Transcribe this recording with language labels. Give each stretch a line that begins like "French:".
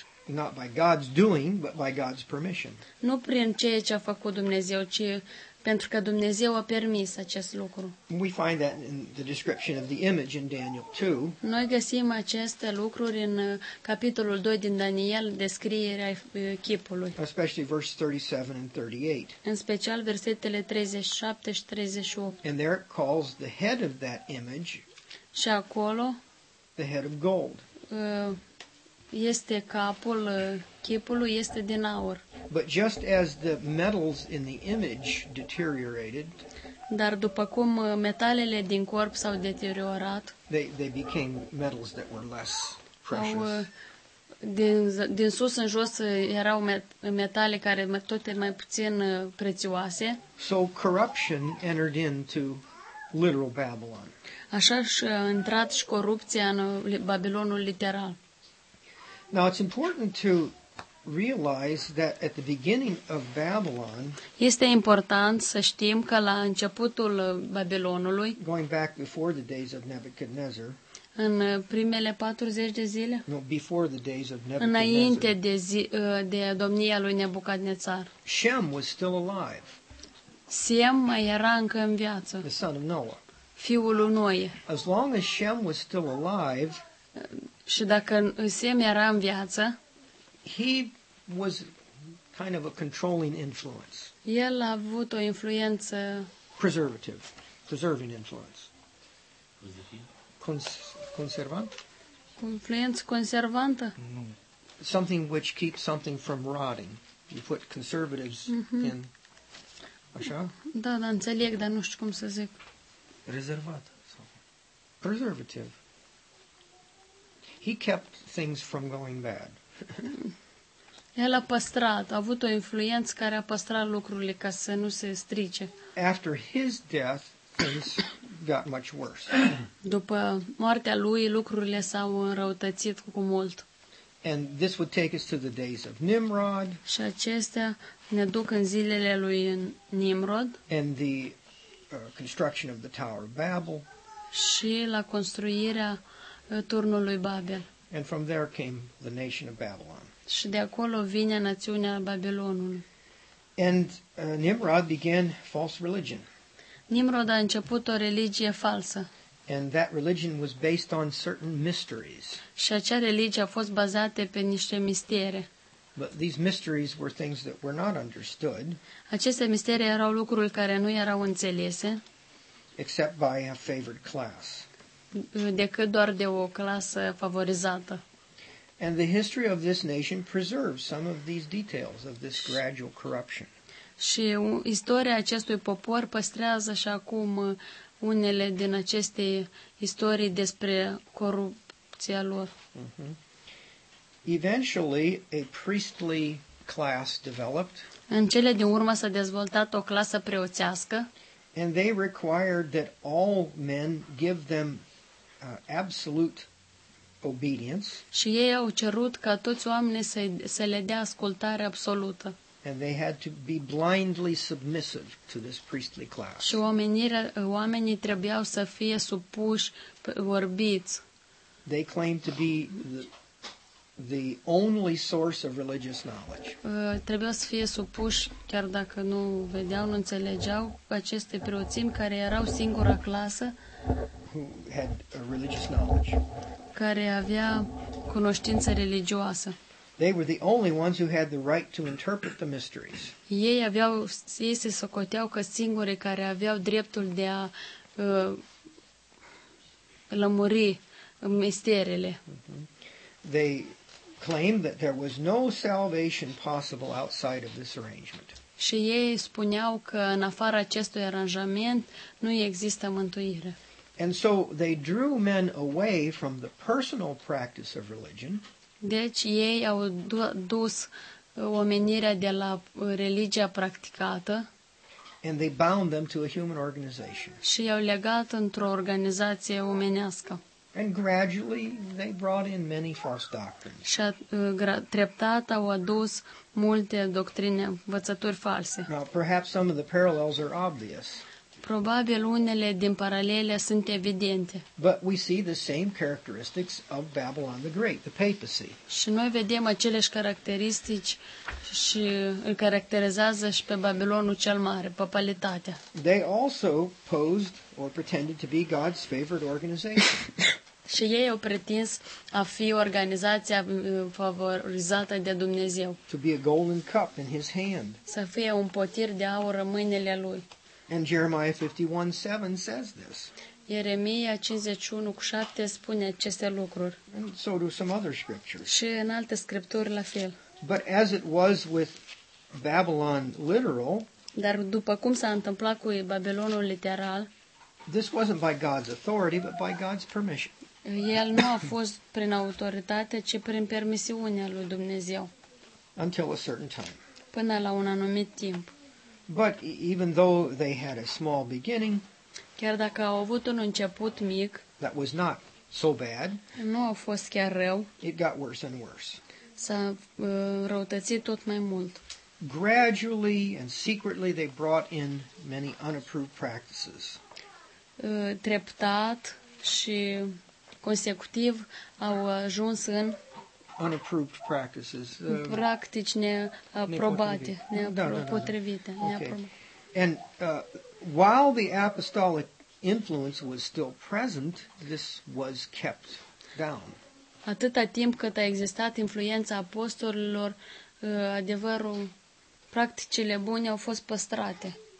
English: Not by God's doing, but by God's permission.
Romanian: Nu prin ceea ce a făcut Dumnezeu, ci pentru că Dumnezeu a permis acest lucru.
English: We find that in the description of the image in Daniel 2.
Romanian: Noi găsim aceste lucruri în capitolul 2 din Daniel, descrierea chipului.
English: Especially verse 37 and 38.
Romanian: În special versetele 37 și 38.
English: And there it calls the head of that image.
Romanian: Și acolo
English: the head of gold.
Romanian: Este capul chipului este din aur.
English: But just as the metals in the image deteriorated,
Romanian: dar după cum metalele din corp s-au deteriorat,
English: they became metals that were less precious.
Romanian: Din sus în jos erau metale care tot mai puțin prețioase.
English: So corruption entered into literal Babylon.
Romanian: Așa și a intrat și corupția în Babilonul literal.
English: Now it's important to realize that at the beginning of Babylon.
Romanian: Este important să știm că la începutul Babilonului.
English: Going back before the days of Nebuchadnezzar.
Romanian: În primele 40 de zile.
English: No, before the days of Nebuchadnezzar.
Romanian: Înainte de domnia lui Nebucadnețar.
English: Shem was still alive.
Romanian: Shem mai era încă în viață.
English: The son of Noah.
Romanian: Fiul lui Noe.
English: As long as Shem was still alive.
Romanian: Și dacă Sem era în viață,
English: he was kind of a controlling influence.
Romanian: El a avut o influență
English: preservative, preserving influence.
Romanian: Conservant? Influență conservantă?
English: No. Something which keeps something from rotting. You put conservatives in.
Romanian: Așa? Da, da, înțeleg, dar nu știu cum să zic. Rezervat.
English: Preservative. He kept things from going bad.
Romanian: El a păstrat, a avut o influență care a păstrat lucrurile ca să nu se strice.
English: After his death, things got much worse.
Romanian: După moartea lui, lucrurile s-au înrăutățit cu mult.
English: And this would take us to the days of Nimrod.
Romanian: Și acestea ne duc în zilele lui Nimrod.
English: And the construction of the Tower of Babel.
Romanian: Și la construirea turnului Babel.
English: And from there came the nation of Babylon.
Romanian: Și de acolo vine națiunea Babilonului.
English: And Nimrod began false religion.
Romanian: Nimrod a început o religie falsă.
English: And that religion was based on certain mysteries.
Romanian: Și acea religie a fost bazată pe niște mistere.
English: But these mysteries were things that were not understood.
Romanian: Aceste mistere erau lucruri care nu erau înțelese.
English: Except by a favored class.
Romanian: Decât doar de o clasă favorizată.
English: And the history of this nation preserves some of these details of this gradual corruption.
Romanian: Și istoria acestui popor păstrează și acum unele din aceste istorii despre corupția lor.
English: Eventually, a priestly class developed.
Romanian: În cele din urmă s-a dezvoltat o clasă preoțească.
English: And they required that all men give them absolute obedience.
Romanian: Și ei au cerut ca toți oamenii să le dea ascultare absolută.
English: And they had to be blindly submissive to this priestly class.
Romanian: Și oamenii trebuiau să fie supuși, orbiți.
English: They claimed to be the only source of religious knowledge.
Romanian: Trebuiau să fie supuși, chiar dacă nu vedeau, nu înțelegeau, aceste preoțimi care erau singura clasă
English: who had a religious knowledge.
Romanian: Care avea cunoștință religioasă.
English: They were the only ones who had the right to interpret the mysteries.
Romanian: Ei aveau, ei se socoteau că singuri care aveau dreptul de a lămuri misterele.
English: They claimed that there was no salvation possible outside of this arrangement.
Romanian: Și ei spuneau că în afara acestui aranjament nu există mântuire.
English: And so they drew men away from the personal practice of religion.
Romanian: Deci ei au dus omenirea de la religia practicată.
English: And they bound them to a human organization.
Romanian: Și i-au legat într-o organizație omenească.
English: And gradually they brought in many false doctrines.
Romanian: Și treptat au adus multe doctrine, învățături false.
English: Now perhaps some of the parallels are obvious.
Romanian: Probabil unele din paralele sunt evidente.
English: But we see the same characteristics of Babylon the Great, the papacy.
Romanian: Și noi vedem aceleși caracteristici și îl caracterizează și pe Babilonul cel Mare, papalitatea.
English: They also posed or pretended to be God's favored organization.
Romanian: Și ei au pretins a fi organizația favorizată de Dumnezeu.
English: To be a golden cup in his hand.
Romanian: Să fie un potir de aur în mâinile lui.
English: And Jeremiah 51:7 says this.
Romanian: Ieremia 51:7 spune aceste lucruri.
English: And so do some other scriptures.
Romanian: Și în alte scripturi la fel.
English: But as it was with Babylon literal,
Romanian: dar după cum s-a întâmplat cu Babilonul literal,
English: this wasn't by God's authority, but by God's permission.
Romanian: El nu a fost prin autoritate, ci prin permisiunea lui Dumnezeu.
English: Until a certain time.
Romanian: Până la un anumit timp.
English: But even though they had a small beginning,
Romanian: chiar dacă au avut un început mic,
English: that was not so bad.
Romanian: Nu a fost chiar rău.
English: It got worse and worse.
Romanian: S-a răutățit tot mai mult.
English: Gradually and secretly they brought in many unapproved practices.
Romanian: Treptat și consecutiv au ajuns în
English: unapproved practices.
Romanian: Practici neaprobate, neapropotrivite.
English: And while the apostolic influence was still present, this was kept down.
Romanian: Atâta timp cât a existat influența apostolilor, adevărul, practicile bune au fost păstrate.